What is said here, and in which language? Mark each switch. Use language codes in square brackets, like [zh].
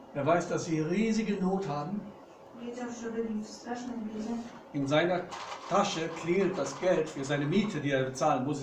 [de] Er weiß, dass sie riesige Not haben. [pl] Wiedział, że byli w strasznej biedzie. [de] In seiner Tasche klingelt das Geld für seine Miete, die er bezahlen muss.